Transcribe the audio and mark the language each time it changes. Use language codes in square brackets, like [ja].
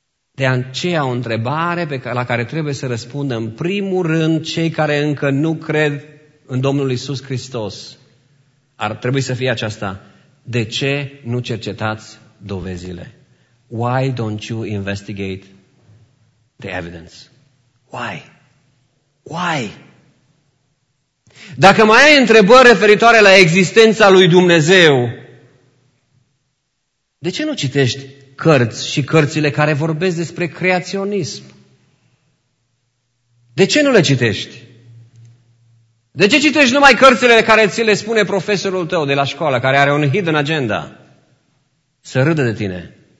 [ro] De aceea o întrebare la care trebuie să răspundă în primul rând cei care încă nu cred în Domnul Iisus Hristos. Ar trebui să fie aceasta. De ce nu cercetați dovezile? [en] Why don't you investigate the evidence? Why? Why? [ro] Dacă mai ai întrebări referitoare la existența lui Dumnezeu, de ce nu citești cărți și cărțile care vorbesc despre creaționism? De ce nu le citești? De ce citești numai cărțile care ți le spune profesorul tău de la școală, care are un [en] hidden agenda? [ro] Să râdă de tine.